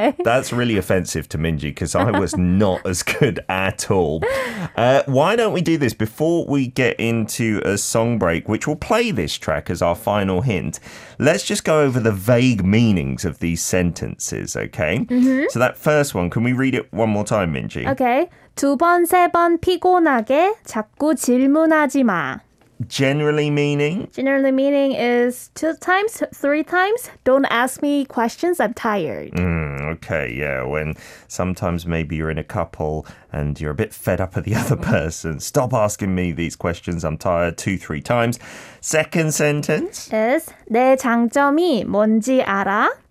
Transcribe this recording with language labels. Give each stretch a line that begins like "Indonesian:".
English: Yeah, that's really offensive to Minji because I was not as good at all. Why don't we do this before we get into a song break, which will play this track as our final hint? Let's just go over the vague meanings of these sentences, okay? Mm-hmm. So that first one, can we read it one more time, Minji? Okay.
Korean: 두 번, 세 번 피곤하게 자꾸 질문하지 마.
English: Generally meaning is two times, three times, don't ask me questions, I'm tired. Okay, yeah, when sometimes maybe you're in a couple and you're a bit fed up of the other person. Stop asking me these questions, I'm tired, two, three times. Second sentence is
Korean: 내 장점이 뭔지 알아?